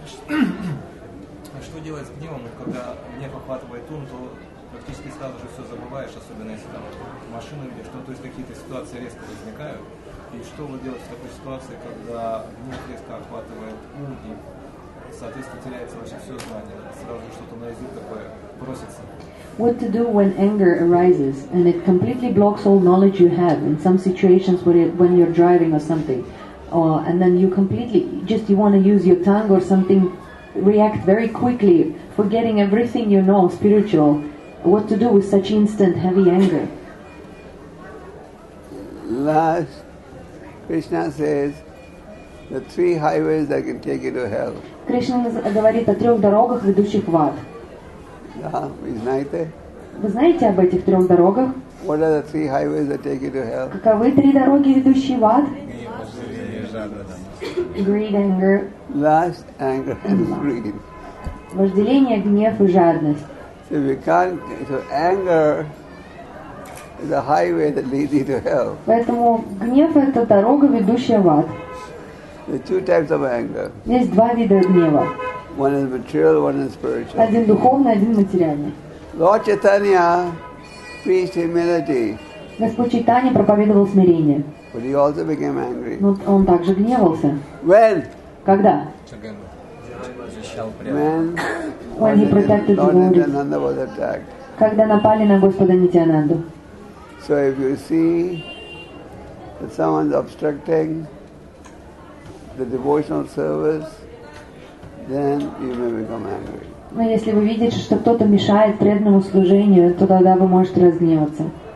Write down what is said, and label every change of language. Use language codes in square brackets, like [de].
[ru] А что делать с гневом, когда гнев охватывает ум, то практически сразу же все забываешь, особенно если там машина где, что, то есть какие-то ситуации резко возникают. И что вы делаете в такой ситуации, когда гнев резко охватывает ум и, соответственно, теряется вообще все знание, сразу же что-то на язык такое просится? [en] What to do when anger arises and it completely blocks all knowledge you have in some situations when you're driving or something? And then you completely just you want to use your tongue or something, react very quickly, forgetting everything you know spiritual. What to do with such instant heavy anger? Last, Krishna says, the three highways that can take you to hell. [ru] Krishna говорит о трех дорогах, ведущих в ад. Вы знаете? Вы знаете об этих трех дорогах? [en] What are the three highways that take you to hell? [ru] Каковы три дороги, ведущие в ад? [en] Greed, anger. Lust, anger, and greed. [ru] Вожделение, гнев и жадность. [en] So we can't. So anger is a highway that leads you to hell. [ru] Поэтому гнев это дорога, ведущая в ад. [en] There are two types of anger. [ru] Есть два вида гнева. [en] One is material, one is spiritual. [ru] Один духовный, один материальный. [en] Lord Chaitanya preached humility. [ru] Господь Чайтанья проповедовал смирение. [en] But he also became angry. [ru] Но он также гневался. [en] When? [ru] Когда? [en] When? When he protected Nityananda was attacked. [ru] Когда напали на Господа Нитянанду. [en] So if you see that someone's obstructing the devotional service, then you may become angry. [ru] Но если вы видите, что кто-то мешает преданному служению, то тогда вы можете разгневаться.